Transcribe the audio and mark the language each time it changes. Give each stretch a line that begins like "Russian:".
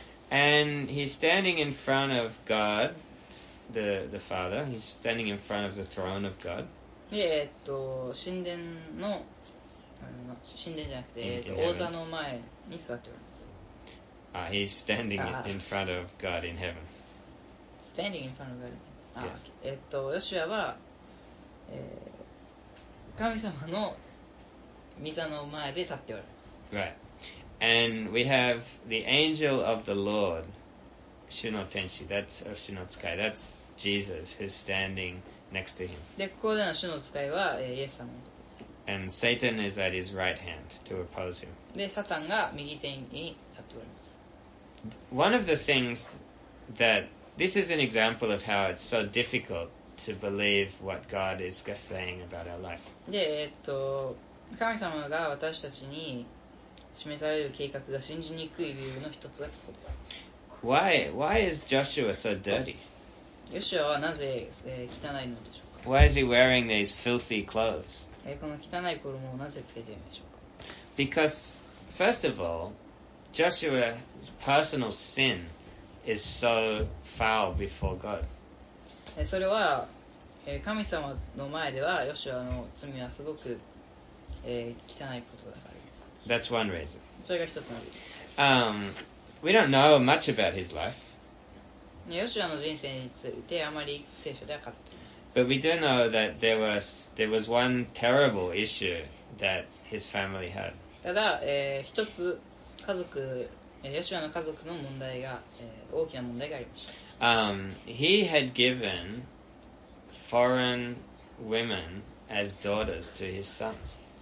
English: And he's standing in front of God, the Father. He's standing in front of the throne of God.
Japanese: 神殿の、神殿じゃなくて、王座の前に座っております。
English: He's standing in front of God in heaven. Standing in front of God in heaven. Yes.
Japanese: ヨシュアは、神様の御座の前で立っております。
English: Right. And we have the angel of the Lord,
Japanese: 主の天使、
English: that's
Japanese: 主の使い、
English: that's Jesus who's standing next to him.
Japanese: で、ここでの主の使いは、イエス様のことです。
English: And Satan is at his right hand to oppose him.
Japanese: で、サタンが右手に立っております。
English: One of the things thatThis is an example of how it's so difficult to believe what God is saying about our life.
Japanese: で、神様が私たちに示される計画が信じにくい理由の一つだそうです。
English: Why is Joshua so dirty?
Japanese: ヨシュアはなぜ、汚いのでしょうか?
English: Why is he wearing these filthy clothes?
Japanese: この汚い衣をなぜつけているのでしょうか?
English: Because, first of all, Joshua's personal sin is so... foul before God.
Japanese: それは神様の前ではヨシュアの罪はすごく汚いことだからです。
English: That's one reason.
Japanese: それが一つの理由。
English: We don't know much about his life.
Japanese: ヨシュアの人生についてあまり聖書では書いていません。
English: But we do know that there was one terrible issue that his family had.
Japanese: ただ、一つ家族ヨシュアの家族の問題が、大きな問題がありました。
English: He had given foreign women as daughters to his sons.